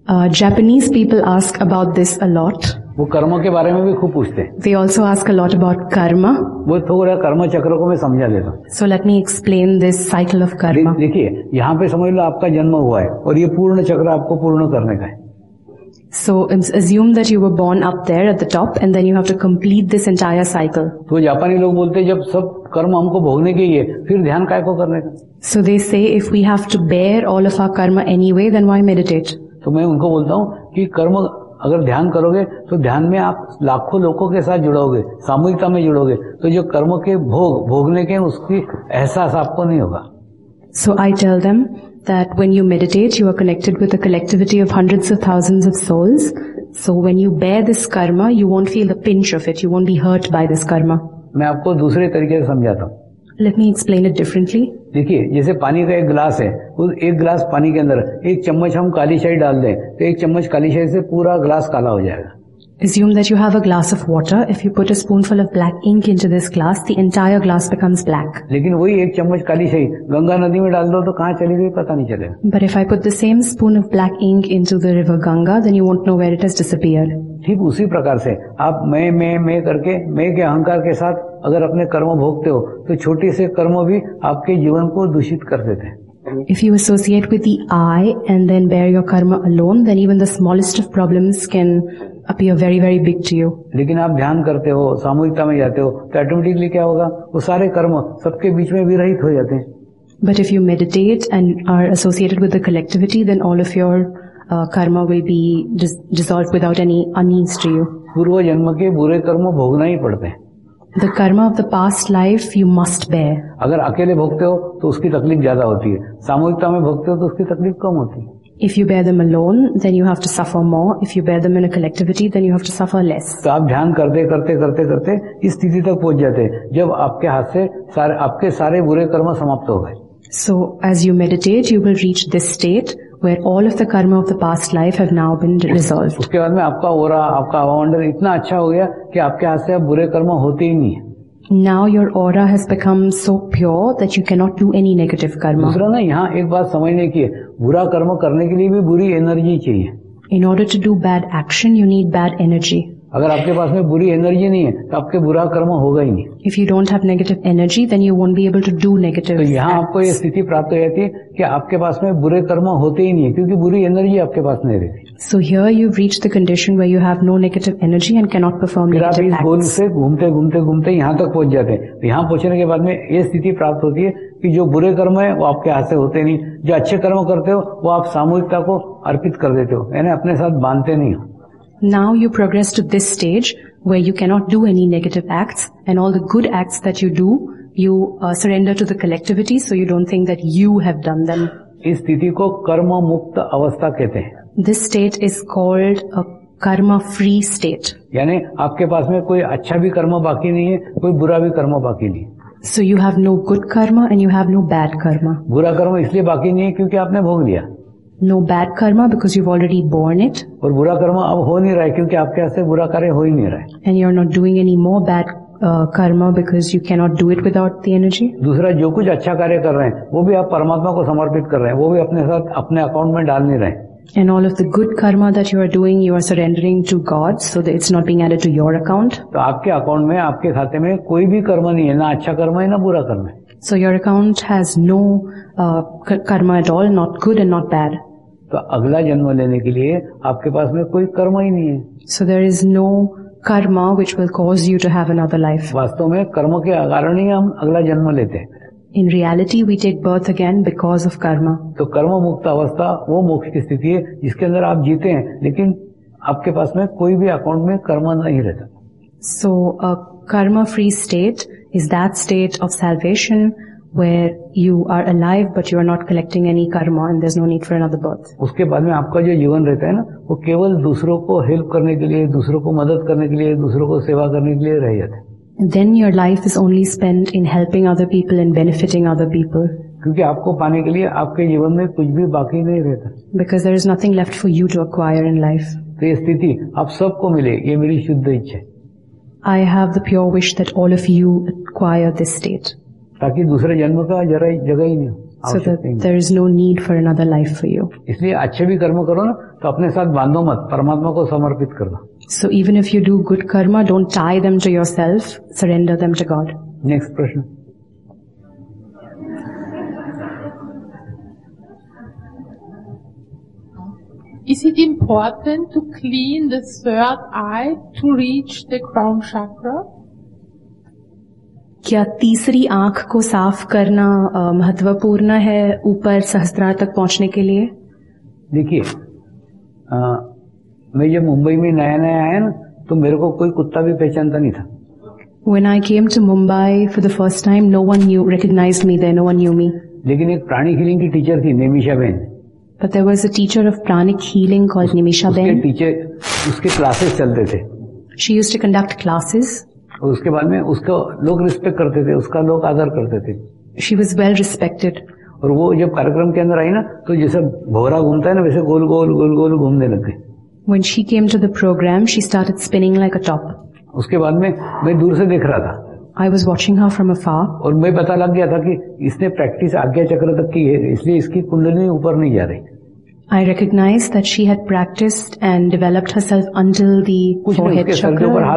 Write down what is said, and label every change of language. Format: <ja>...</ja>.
<en>Japanese people ask about this a lot.</en> <hi>वो कर्मों के बारे में भी खूब पूछते हैं.</hi> <en>They also ask a lot about karma.</en> <hi>वो थोड़ा कर्म चक्र को मैं समझा लेता.</hi> <en>So let me explain this cycle of karma.</en> <hi>देखिए यहाँ पे समझ लो आपका जन्म हुआ है और ये पूर्ण चक्र आपको पूर्ण करने का है.</hi> <en>So assume that you were born up there at the top and then you have to complete this entire cycle.</en> <hi>तो जापानी लोग बोलते हैं जब सब कर्म हमको भोगने के ही है फिर ध्यान काय को करने का.</hi> <en>So they say if we have to bear all of our karma anyway then why meditate?</en> <hi>तो मैं उनको बोलता हूँ कि कर्म अगर ध्यान करोगे तो ध्यान में आप लाखों लोगों के साथ जुड़ोगे, सामूहिकता में जुड़ोगे, तो जो कर्म के भोगने के उसकी एहसास आपको नहीं होगा.</hi> <en>So I tell them that when you meditate, you are connected with a collectivity of hundreds of thousands of souls. So when you bear this karma, you won't feel the pinch of it. You won't be hurt by this karma.</en> <hi>मैं आपको दूसरे तरीके से समझाता हूँ.</hi> <en>Let me explain it differently.</en> <hi>देखिए जैसे पानी का एक ग्लास है, उस एक ग्लास पानी के अंदर एक चम्मच हम काली शाही डाल दें तो एक चम्मच काली शाही से पूरा ग्लास काला हो जाएगा.</hi> <en>Assume that you have a glass of water. If you put a spoonful of black ink into this glass, the entire glass becomes black.</en> <hi>लेकिन वही एक चम्मच काली शाही गंगा नदी में डाल दो तो कहाँ चली गई पता नहीं चलेगा.</hi> <en>But if I put the same spoon of black ink into the river Ganga, then you won't know where it has disappeared.</en> <hi>ठीक उसी प्रकार से आप मैं करके मैं के अहंकार के साथ अगर अपने कर्म भोगते हो तो छोटे से कर्म भी आपके जीवन को दूषित कर देते हैं.</hi> <en>If you associate with the I and then bear your karma alone, then even the smallest of problems can appear very, very big to you.</en> <hi>लेकिन आप ध्यान करते हो, सामूहिकता में जाते हो, तो automatically क्या होगा? वो सारे कर्म सबके बीच में विरहित हो जाते हैं.</hi> <en>But if you meditate and are associated with the collectivity, then all of your karma will be dissolved without any unease to you.</en> <hi>पूर्व जन्म के बुरे कर्म भोगना ही पड़ते हैं.</hi> <en>The karma of the past life you must bear.</en> <hi>अगर अकेले भोगते हो तो उसकी तकलीफ ज्यादा होती है, सामूहिकता में भोगते हो तो उसकी तकलीफ कम होती है.</hi> <en>If you bear them alone, then you have to suffer more. If you bear them in a collectivity, then you have to suffer less.</en> <hi>तो आप ध्यान करते करते करते करते इस स्थिति तक पहुंच जाते हैं जब आपके हाथ से आपके सारे बुरे कर्म समाप्त हो गए.</hi> <en>So as you meditate, you will reach this state where all of the karma of the past life have now been resolved.</en> <hi>उसके बाद में आपका ओरा, आपका हवामंडल इतना अच्छा हो गया कि आपके हाथ से अब बुरे कर्म होते ही नहीं.</hi> <en>Now your aura has become so pure that you cannot do any negative karma.</en> <hi>दूसरा ना यहाँ एक बात समझने की है, बुरा कर्म करने के लिए भी बुरी एनर्जी चाहिए.</hi> <en>In order to do bad action, you need bad energy.</en> <hi>अगर आपके पास में बुरी एनर्जी नहीं है तो आपके बुरा कर्म होगा ही नहीं.</hi> <en>If you don't have negative energy, then you won't be able to do negative.</en> <hi>तो यहाँ आपको ये स्थिति प्राप्त हो जाती है कि आपके पास में बुरे कर्म होते ही नहीं है क्योंकि बुरी एनर्जी आपके पास नहीं रहती.</hi> <en>So here you've reached the condition where you have no negative energy and cannot perform negative acts.</en> <hi>फिर आप इस गोल से घूमते घूमते घूमते यहाँ तक पहुँच जाते हैं. तो यहाँ पहुँचने के बाद में ये स्थिति प्राप्त होती है कि जो बुरे कर्म है वो आपके हाथ से होते नहीं, जो अच्छे कर्म करते हो वो आप सामूहिकता को अर्पित कर देते हो, यानी अपने साथ बांधते नहीं हो.</hi> <en>Now you progress to this stage where you cannot do any negative acts and all the good acts that you do, you surrender to the collectivity so you don't think that you have done them.</en> <hi>इस स्थिति को कर्म मुक्त अवस्था कहते हैं.</hi> <en>This state is called a karma free state.</en> <hi>यानी आपके पास में कोई अच्छा भी कर्म बाकी नहीं है, कोई बुरा भी कर्म बाकी नहीं.</hi> <en>So you have no good karma and you have no bad karma.</en> <hi>बुरा कर्म इसलिए बाकी नहीं है क्योंकि आपने भोग लिया.</hi> <en>No bad karma because you've already borne it.</en> <hi>और बुरा कर्म अब हो नहीं रहा है क्योंकि आपके हाथ से बुरा कार्य हो ही नहीं रहा है.</hi> <en>And you're not doing any more bad karma because you cannot do it without the energy.</en> <hi>दूसरा जो कुछ अच्छा कार्य कर रहे हैं वो भी आप परमात्मा को समर्पित कर रहे हैं, वो भी अपने साथ अपने अकाउंट में डाल नहीं रहे.</hi> <en>And all of the good karma that you are surrendering to God so that it's not being added to your account.</en> <hi>तो आपके अकाउंट में आपके खाते में कोई भी कर्म नहीं है, ना अच्छा कर्म है ना बुरा कर्म है.</hi> <en>So your account has no karma at all, not good and not bad.</en> <hi>तो अगला जन्म लेने के लिए आपके पास में कोई कर्म ही नहीं है.</hi> <en>So there is no karma which will cause you to have another life.</en> <hi>वास्तव में कर्म के कारण ही हम अगला जन्म लेते हैं.</hi> <en>In reality, we take birth again because of karma.</en> <hi>तो कर्म मुक्त अवस्था वो मोक्ष की स्थिति है जिसके अंदर आप जीते हैं लेकिन आपके पास में कोई भी अकाउंट में कर्म नहीं रहता.</hi> <en>So a karma-free state is that state of salvation where you are alive but you are not collecting any karma and there's no need for another birth.</en> <hi>उसके बाद में आपका जो जीवन रहता है ना वो केवल दूसरों को हेल्प करने के लिए, दूसरों को मदद करने के लिए, दूसरों को सेवा करने के लिए रह जाता है.</hi> <en>Then your life is only spent in helping other people and benefiting other people.</en> <hi>क्योंकि आपको पाने के लिए आपके जीवन में कुछ भी बाकी नहीं रहता.</hi> <en>Because there is nothing left for you to acquire in life.</en> <hi>तो ये स्थिति आप सबको मिले, ये मेरी शुद्ध इच्छा है.</hi> <en>I have the pure wish that all of you acquire this state.</en> <hi>ताकि दूसरे जन्म का जरा जगह ही नहीं.</hi> <en>So that there is no need for another life for you.</en> <hi>इसलिए अच्छे भी कर्म करो ना तो अपने साथ बांधो मत, परमात्मा को समर्पित कर दो.</hi> <en>So even if you do good karma, don't tie them to yourself, surrender them to God. Next question. Is it important to clean the third eye to reach the crown chakra?</en> <hi>क्या तीसरी आंख को साफ करना महत्वपूर्ण है ऊपर सहस्त्रार तक पहुंचने के लिए? देखिए, मैं जब मुंबई में नया नया आया ना तो मेरे को कोई कुत्ता भी पहचानता नहीं था.</hi> <en>When I came to Mumbai for the first time, no one knew, recognized me there, no one knew me.</en> <hi>लेकिन एक प्राणी हीलिंग की टीचर थी Nimisha Ben.</hi> <en>But there was a teacher of pranic healing called Nimisha Ben.</en> <hi>उसके teacher, उसके classes चलते थे.</hi> <en>She used to conduct classes.</en> <hi>उसके बाद में उसका लोग रिस्पेक्ट करते थे, उसका लोग आदर करते थे.</hi> <en>She was well respected.</en> <hi>और वो जब कार्यक्रम के अंदर आई ना तो जैसे भोरा घूमता है ना वैसे गोल गोल गोल गोल घूमने लग गए.</hi> <en>When she came to the program, she started spinning like a top.</en> <hi>उसके बाद में मैं दूर से देख रहा था.</hi> <en>I was watching her from afar.</en> <hi>और मैं पता लग गया था कि इसने प्रैक्टिस आज्ञा चक्र तक की है, इसलिए इसकी कुंडली ऊपर नहीं जा रही.</hi> <en>I recognized that she had practiced and developed herself until the forehead chakra.</en>